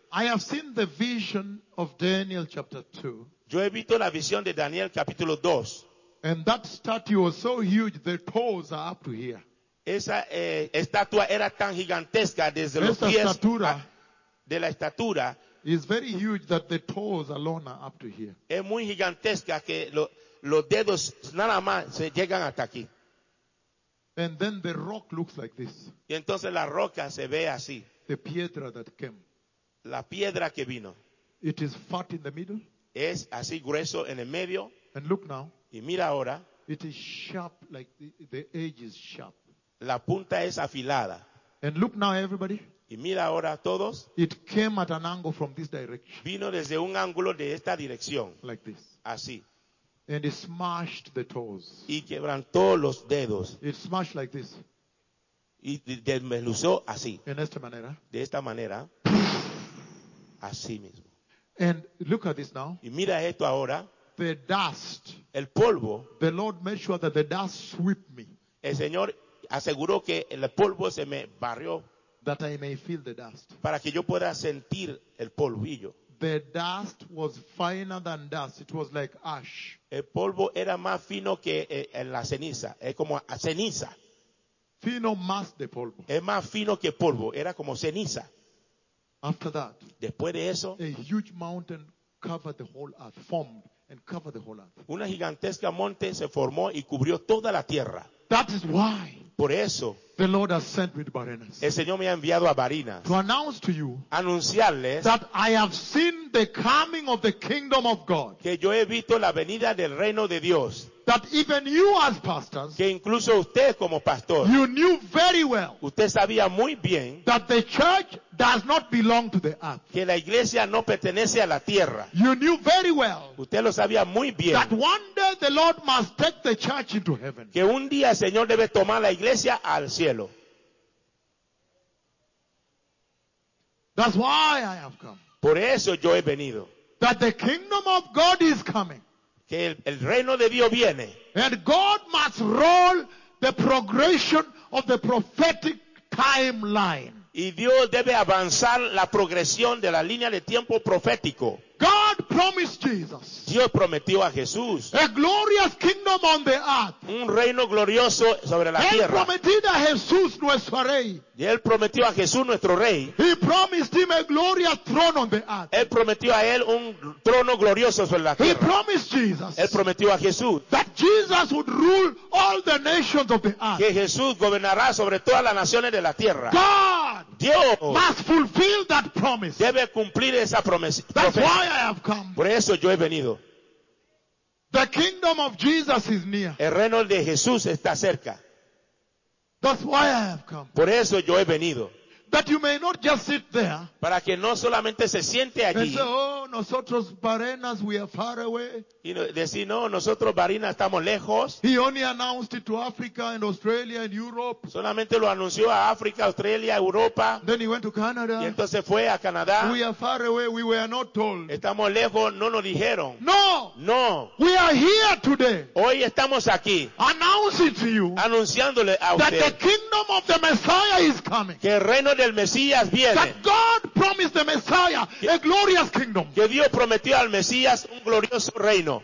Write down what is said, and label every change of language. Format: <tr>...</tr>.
<en>I have seen the vision of Daniel chapter 2.</en> <es>Yo he visto la visión de Daniel capítulo 2.</es> <en>And that statue was so huge, the toes are up to here.</en> <es>Esa estatua era tan gigantesca desde los pies de la estatura.</es> <en>It's very huge that the toes alone are up to here.</en> <es>Es muy gigantesca que los dedos nada más se llegan hasta aquí.</es> <en>And then the rock looks like this.</en> <es>Y entonces la roca se ve así.</es> <en>The piedra that came.</en> <es>La piedra que vino.</es> <en>It is fat in the middle.</en> <es>Es así grueso en el medio.</es> <en>And look now.</en> <es>Y mira ahora.</es> <en>It is sharp, like the edge is sharp.</en> <es>La punta es afilada.</es> <en>And look now, everybody.</en> <es>Y mira ahora a todos.</es> <en>It came at an angle from this direction.</en> <es>Vino desde un ángulo de esta dirección.</es> <en>Like this.</en> <es>Así.</es> <en>And it smashed the toes.</en> <es>Y quebrantó los dedos.</es> <en>It smashed like this.</en> <es>Y desmenuzó así. En esta manera. De esta manera. Así mismo.</es> <en>And look at this now.</en> <es>Y mira esto ahora.</es> <en>The dust.</en> <es>El polvo.</es> <en>The Lord made sure that the dust swept me.</en> <es>El Señor aseguró que el polvo se me barrió.</es> <en>That I may feel the dust.</en> <es>Para que yo pueda sentir el polvillo.</es> <en>The dust was finer than dust. It was like ash.</en> <es>El polvo era más fino que en la ceniza. Es como a ceniza. Fino más de polvo. Es más fino que polvo. Era como ceniza.</es> <en>After that.</en> <es>Después de eso.</es> <en>A huge mountain covered the whole earth. Formed and covered the whole earth.</en> <es>Una gigantesca monte se formó y cubrió toda la tierra.</es> <en>That is why.</en> <es>Por eso,</es> <en>the Lord has sent me to Barinas.</en> <es>El Señor me ha enviado a Barinas.</es> <en>To announce to you,</en> <es>anunciarles,</es> <en>that I have seen the coming of the kingdom of God.</en> <es>Que yo he visto la venida del reino de Dios.</es> <en>That even you as pastors,</en> <es>que incluso usted como pastor,</es> <en>you knew very well,</en> <es>usted sabía muy bien,</es> <en>that the church does not belong to the earth.</en> <es>Que la iglesia no pertenece a la tierra.</es> <en>You knew very well,</en> <es>usted lo sabía muy bien,</es> <en>that one day the Lord must take the church into heaven.</en> <es>Que un día el Señor debe tomar la iglesia al cielo.</es> <en>That's why I have come.</en> <es>Por eso yo he venido.</es> <en>That the kingdom of God is coming.</en> <es>Que el reino de Dios viene.</es> <en>And God must roll the progression of the prophetic timeline.</en> <es>Y Dios debe avanzar la progresión de la línea de tiempo profético.</es> <en>God promised Jesus.</en> <es>Dios prometió a Jesús.</es> <en>A glorious kingdom on the earth.</en> <es>Un reino glorioso sobre la tierra. Él prometió a Jesús nuestro rey. Y él prometió a Jesús nuestro rey.</es> <en>He promised him a glorious throne on the earth.</en> <es>Él prometió a él un trono glorioso sobre la tierra.</es> <en>He promised Jesus.</en> <es>Él prometió a Jesús.</es> <en>That Jesus would rule all the nations of the earth.</en> <es>Que Jesús gobernará sobre todas las naciones de la tierra.</es> <en>God,</en> <es>Dios,</es> <en>must fulfill that promise.</en> <es>Debe cumplir esa promesa.</es> <en>That's why I have come.</en> <es>Por eso yo he venido.</es> <en>The kingdom of Jesus is near.</en> <es>El reino de Jesús está cerca.</es> <en>That's why I have come.</en> <es>Por eso yo he venido.</es> <en>That you may not just sit there.</en> <es>Para que no solamente se siente allí.</es> <en>And say, oh, nosotros Barinas, we are far away.</en> <es>Y decir, no, nosotros Barinas estamos lejos.</es> <en>He only announced it to Africa and Australia and Europe.</en> <es>Solamente lo anunció a África, Australia, Europa.</es> <en>Then he went to Canada.</en> <es>Y entonces fue a Canadá.</es> <en>We are far away, we were not told.</en> <es>Estamos lejos, no nos dijeron. No. No.</es> <en>We are here today.</en> <es>Hoy estamos aquí.</es> <en>Announce it to you.</en> <es>Anunciándole a</es> <en>that</en> <es>usted.</es> <en>That the kingdom of the Messiah is coming.</en> <es>Que el reino del Mesías viene.</es> <en>That God promised the Messiah a glorious kingdom.</en> <es>Que Dios prometió al Mesías un glorioso reino.</es>